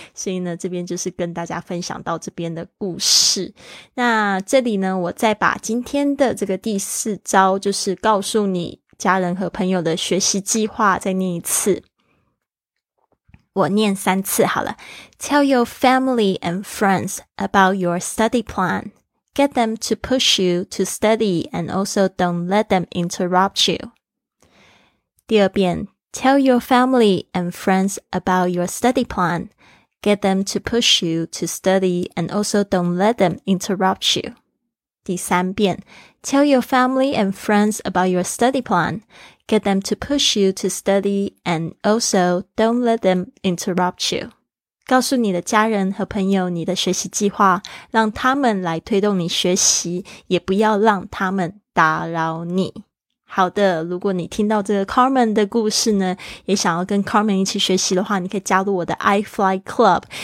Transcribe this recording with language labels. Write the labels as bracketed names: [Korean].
[Chinese] 所以呢这边就是跟大家分享到这边的故事。那这里呢我再把今天的这个第四招，就是告诉你家人和朋友的学习计划，再念一次，我念三次好了。 [English] Tell your family and friends about your study plan. Get them to push you to study and also don't let them interrupt you. 第二遍， Tell your family and friends about your study plan. Get them to push you to study and also don't let them interrupt you. 第三遍， Tell your family and friends about your study plan. Get them to push you to study and also don't let them interrupt you. [Chinese] 告诉你的家人和朋友你的学习计划，让他们来推动你学习，也不要让他们打扰你。好的，如果你听到这个 Carmen 的故事呢，也想要跟 Carmen 一起学习的话，你可以加入我的 iFly Club。